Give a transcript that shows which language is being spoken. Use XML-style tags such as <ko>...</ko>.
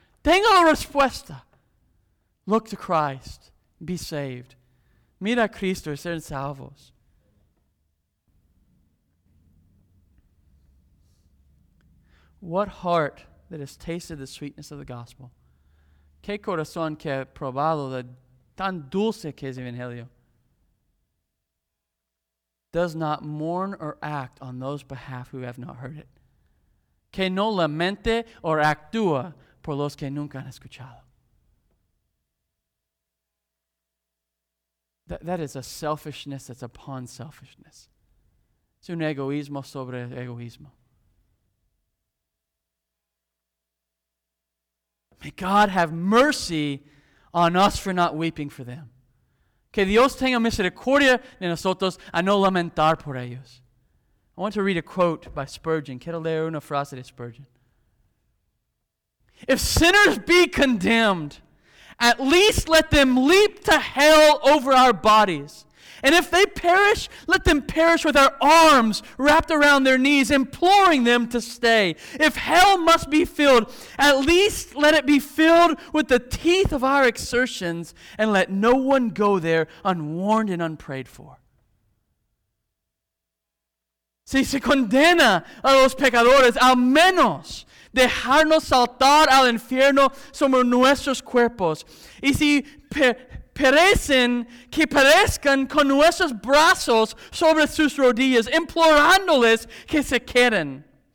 <es>Tengo la respuesta.</es> <en>Look to Christ. Be saved.</en> <es>Mira a Cristo, ser salvos.</es> <en>What heart that has tasted the sweetness of the gospel?</en> <es>Qué corazón que ha probado la tan dulce que es el evangelio?</es> <en>Does not mourn or act on those behalf who have not heard it.</en> <es>Que no lamente o actúa por los que nunca han escuchado.</es> <en>That is a selfishness that's upon selfishness.</en> <es>Es un egoísmo sobre egoísmo.</es> <en>May God have mercy on us for not weeping for them.</en> <es>Que Dios tenga misericordia de nosotros a no lamentar por ellos.</es> <en>I want to read a quote by Spurgeon.</en> <es>Quiero leer una frase de Spurgeon.</es> <en>If sinners be condemned, at least let them leap to hell over our bodies. And if they perish, let them perish with our arms wrapped around their knees, imploring them to stay. If hell must be filled, at least let it be filled with the teeth of our exertions, and let no one go there unwarned and unprayed for.</en> <es>Si se condena a los pecadores, al menos dejarnos saltar al infierno sobre nuestros cuerpos. Y si perecen, que perezcan con nuestros brazos sobre sus rodillas, implorándoles que se queden.</es>